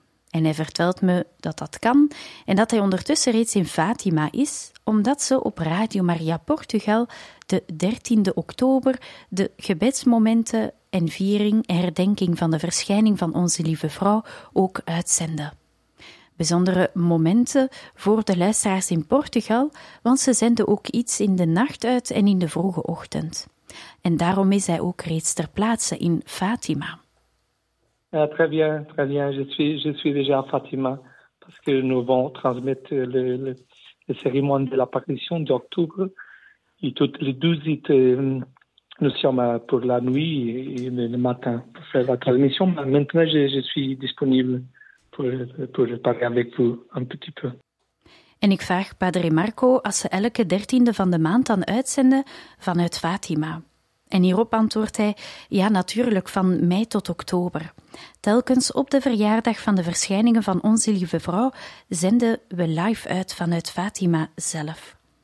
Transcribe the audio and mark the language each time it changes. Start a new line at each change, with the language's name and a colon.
Dutch: En hij vertelt me dat dat kan en dat hij ondertussen reeds in Fatima is, omdat ze op Radio Maria Portugal de 13e oktober de gebedsmomenten en viering en herdenking van de verschijning van Onze Lieve Vrouw ook uitzenden. Bijzondere momenten voor de luisteraars in Portugal, want ze zenden ook iets in de nacht uit en in de vroege ochtend. En daarom is hij ook reeds ter plaatse in Fatima.
French: Ja, très bien, très bien. Je suis déjà à Fatima, parce que nous vont transmettre le cérémonie de l'apparition d'octobre. Et toutes les 12 heures, nous sommes pour la nuit et le matin pour faire la transmission. Maintenant, je suis disponible. Pour parler avec vous un petit peu.
Dutch: En ik vraag Padre Marco als ze elke 13e van de maand dan uitzenden vanuit Fatima. En hierop antwoordt hij, ja natuurlijk, van mei tot oktober. Telkens op de verjaardag van de verschijningen van Onze Lieve Vrouw zenden we live uit vanuit Fatima zelf.